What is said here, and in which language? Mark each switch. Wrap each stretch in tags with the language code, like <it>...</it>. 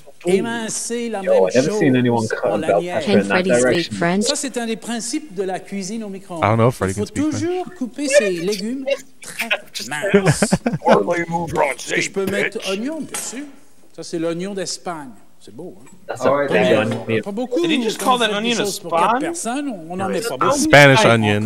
<en>I've never seen anyone cut about pepper in that direction. French?</en> <fr>Ça, c'est un des principes de la cuisine au micro-ondes.</fr> <en>I don't know if Freddy can speak French.</en> <fr>Il faut toujours couper ses légumes très minces. Or les branches, je peux mettre oignon dessus. Ça, c'est l'oignon d'Espagne. C'est beau, hein?</fr> <en>Did he just call that onion a span? Spanish onion.</en>